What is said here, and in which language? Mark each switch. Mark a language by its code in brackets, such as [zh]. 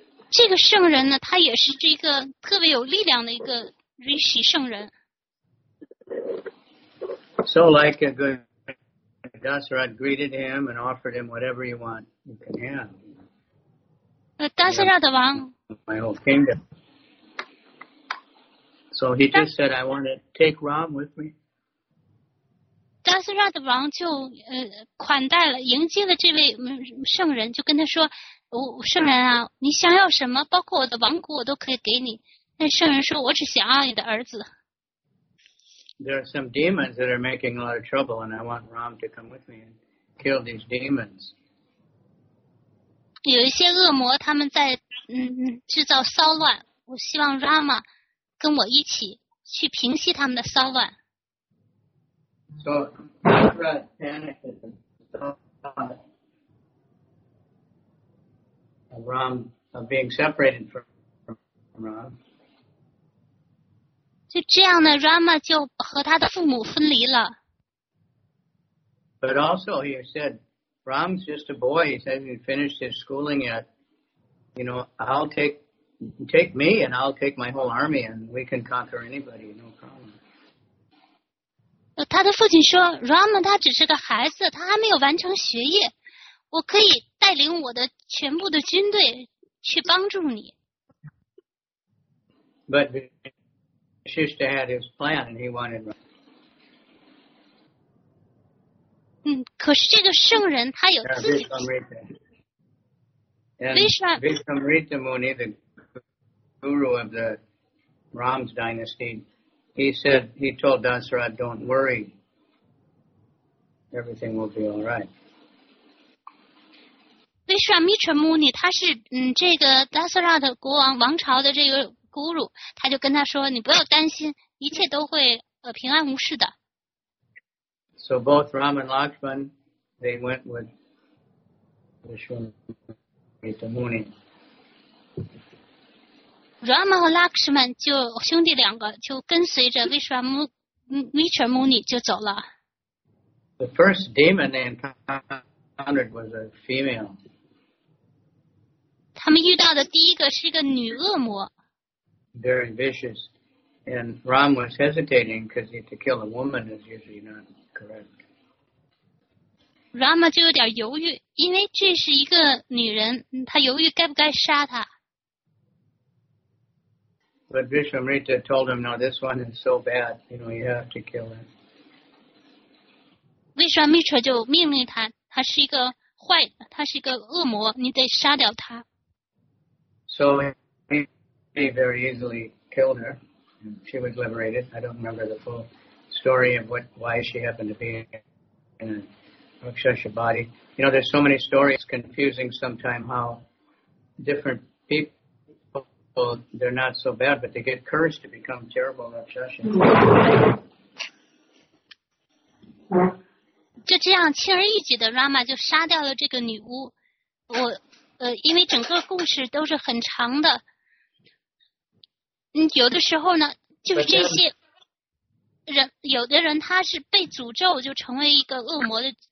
[zh] 这个圣人呢，他也是这个特别有力量的一个 Rishi 圣人。 [en] So like a good... Dasarath greeted him and offered him whatever you want, you can have. [zh] Dasarath 王 [en] My whole kingdom. So he just said, I want to take Ram with me. [zh] Dasarath 王就款待了，迎接了这位圣人，就跟他说，圣人啊，你想要什么，包括我的王国，我都可以给你。那圣人说，我只想要你的儿子。 [en] There are some demons that are making a lot of trouble, and I want Ram to come with me and kill these demons. [zh] 有一些恶魔他们在制造骚乱，我希望 Rama 跟我一起去平息他们的骚乱。 [en] So, Dasharatha panicked about Ram being separated from Ram. [zh] 就这样呢 ，Rama 就和他的父母分离了。 [en] But also he said, Ram's just a boy. He hasn't even finished his schooling yet. You know, I'll take me and I'll take my whole army and we can conquer anybody, no problem. [zh] 他的父亲说 ,Ram 他只是个孩子，他还没有完成学业。我可以带领我的全部的军队去帮助你。 [en] But Vasishtha had his plan and he wanted Ram. [zh] 可是这个圣人他有自己的。 [en] Vishvamrita Muni, the guru of the Ram's dynasty, he said, he told Dasarath, don't worry. Everything will be all right. [zh] Vishvamrita Muni, 他是这个 Dasarath 国王王朝的这个 guru, 他就跟他说你不要担心一切都会平安无事的。 [en] So both Ram and Lakshman, they went with Vishvamrita. [zh] Rama 和 Lakshman 就兄弟两个就跟随着 Vishwamuni 就走了。 [en] The first demon they encountered was a female. [zh] 他们遇到的第一个是一个女恶魔。 [en] Very vicious. And Ram was hesitating because to kill a woman is usually not correct. [zh] Rama 就有点犹豫，因为这是一个女人，她犹豫该不该杀她。 [en] But Vishvamrita told him, "No, this one is so bad. You know, you have to kill her." [zh] Vishvamrita 就命令他，她是一个坏，她是一个恶魔，你得杀掉她。 [en] So he very easily killed her, and she was liberated. I don't remember the full story of why she happened to be in Rakshasa body. You know, there's so many stories, it's confusing sometimes how different people, they're not so bad, but they get cursed to become terrible Rakshasa. [zh] 就这样轻而易举的 Rama 就杀掉了这个女巫。我因为整个故事都是很长的。有的时候呢就是这些人，有的人他是被诅咒就成为一个恶魔的。